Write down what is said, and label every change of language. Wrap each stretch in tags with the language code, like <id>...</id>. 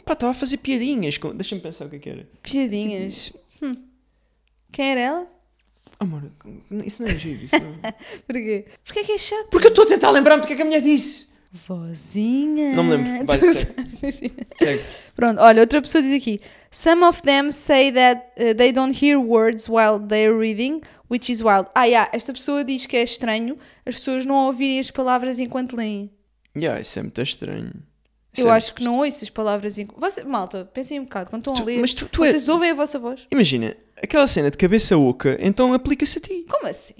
<pt>Pá, estava a fazer piadinhas com... Deixa-me pensar o que é que era. Piadinhas. Tipo... Quem era ela? Amor, isso não é giro. Isso não... Porquê? Porquê é que é chato? Porque eu estou a tentar lembrar-me do que é que a mulher disse. Vozinha. Não me lembro. Vai, segue. Pronto, olha, outra pessoa diz aqui.</pt> <en>Some of them say that they don't hear words while they're reading, which is wild.</en> <pt>Ah, esta pessoa diz que é estranho as pessoas não ouvirem as palavras enquanto leem. Yeah, isso é muito estranho. Sempre. Eu acho que não ouço as palavras malta, pensem um bocado, quando estão a ler, mas tu vocês ouvem a vossa voz? Imagina, aquela cena de cabeça oca, então aplica-se a ti. Como assim?</pt>